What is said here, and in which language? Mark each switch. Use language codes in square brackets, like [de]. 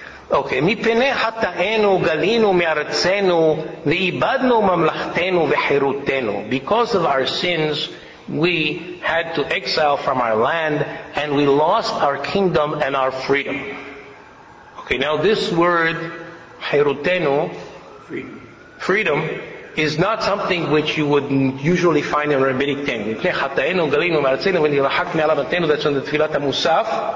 [he] Okay, מפני חטאינו גלינו מארצנו ואיבדנו ממלכתנו וחירותנו. [en] Because of our sins, we had to exile from our land and we lost our kingdom and our freedom. Okay, now this word, חירותנו, freedom, is not something which you would usually find in rabbinic tongue. [he] מפני חטאינו גלינו מארצנו ונרחק מעלמתנו, [en] that's on the [he] תפילת המוסף.